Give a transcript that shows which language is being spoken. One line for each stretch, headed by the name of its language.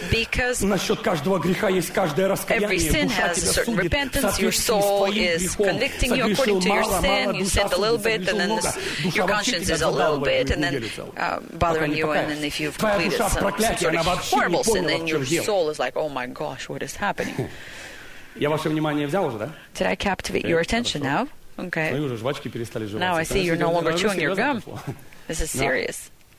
Russian: Потому что насчет каждого греха есть каждое раскаяние.
English: Every sin has a certain repentance. Your soul is convicting you according to your sin. You sinned a little bit, and then your conscience is a little bit, and then bothering you. And then if you've completed some sort of horrible sin, then your soul is like, oh my gosh, what is happening?
Russian: Я ваше внимание взял уже, да?
English: Did I captivate your attention now? Okay.
Russian: Ну, уже жвачки перестали жевать.
English: Now I see you're no longer chewing your gum. This is serious.